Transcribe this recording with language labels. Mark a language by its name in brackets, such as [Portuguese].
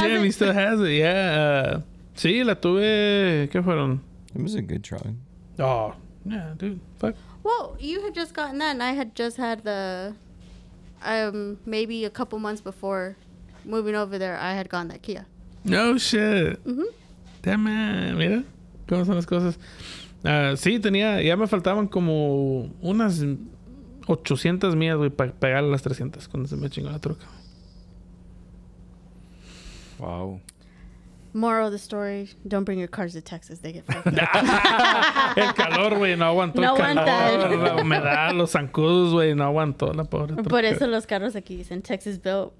[English] like, damn, he still has it. Yeah. [Spanish] Sí, la tuve... ¿Qué fueron? [English] It was a good truck. Oh. Yeah, dude. Fuck. Well, you had just gotten that, and I had just had the... maybe a couple months before moving over there, I had gotten that Kia. No shit. Mm-hmm. Damn, man. [Spanish] Mira cómo son las cosas. Sí, tenía, ya me faltaban como unas 800 millas, güey, para pegar las 300 cuando se me chingó la troca. [English] Wow. Moral of the story, don't bring your cars to Texas. They get fucked [Spanish] El calor, güey, no aguantó no el calor. La humedad, los zancudos, güey, no aguantó la pobre troca. Por eso los carros aquí dicen Texas built.